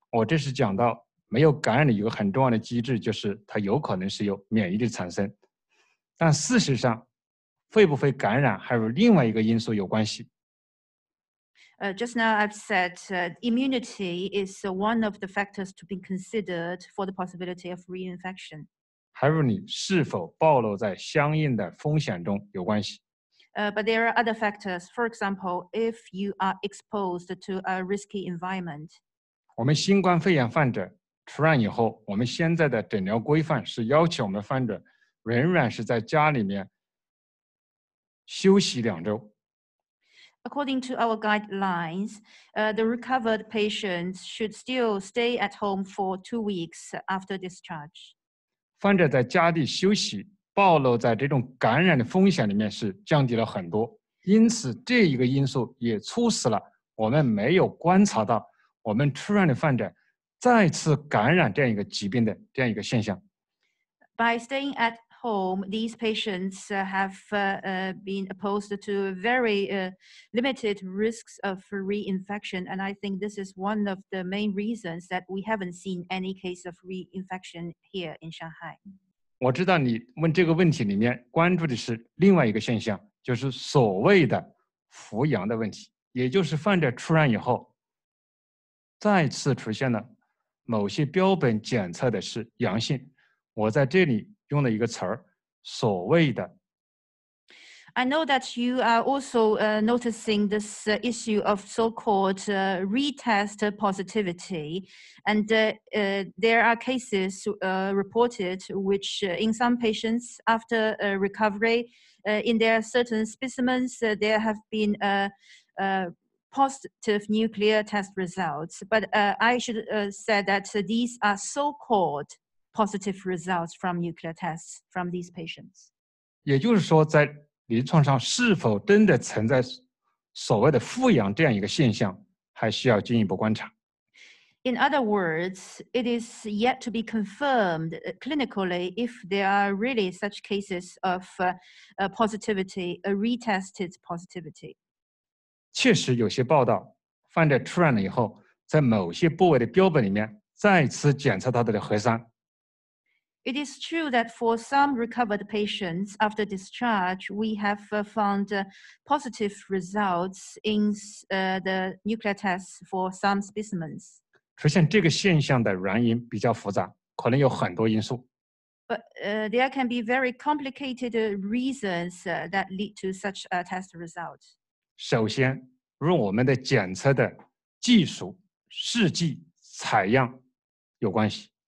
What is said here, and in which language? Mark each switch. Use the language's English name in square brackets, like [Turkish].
[Chinese] 我这是讲到没有感染的一个很重要的机制，就是它有可能是有免疫力产生。但事实上，会不会感染还有另外一个因素有关系。 [English] Just now I've said immunity is one of the factors to be considered for the possibility of reinfection. [Chinese] 还有你是否暴露在相应的风险中有关系。 [English] But there are other factors. For example, if you are exposed to a risky environment. [Chinese] 我们新冠肺炎患者出院以后，我们现在的诊疗规范是要求我们患者仍然是在家里面休息两周。 [English] According to our guidelines, the recovered patients should still stay at home for 2 weeks after discharge. [Chinese] 患者在家里休息，暴露在这种感染的风险里面是降低了很多。因此，这一个因素也促使了我们没有观察到我们出院的患者再次感染这样一个疾病的这样一个现象。 [English] By staying at home, these patients have been exposed to very limited risks of reinfection, and I think this is one of the main reasons that we haven't seen any case of reinfection here in Shanghai. [Chinese] 我知道你问这个问题里面关注的是另外一个现象，就是所谓的复阳的问题，也就是患者出院以后再次出现了某些标本检测的是阳性。我在这里用了一个词儿，所谓的。 [English] I know that you are also noticing this issue of so-called retest positivity, and there are cases reported which in some patients after recovery, in their certain specimens, there have been positive nuclear test results. But I should say that these are so-called positive results from nuclear tests from these patients. [Chinese] 也就是说在临床上是否真的存在所谓的复阳这样一个现象，还需要进一步观察。 [English] In other words, it is yet to be confirmed clinically if there are really such cases of positivity, a retested positivity. [Chinese] 确实有些报道，患者出院了以后，在某些部位的标本里面再次检测到的核酸。 [English] It is true that for some recovered patients after discharge, we have found positive results in the nuclear tests for some specimens. [Chinese] 出现这个现象的原因比较复杂，可能有很多因素。 [English] But there can be very complicated reasons that lead to such a test result. [Chinese] 首先，如我们的检测的技术、试剂、采样有关系。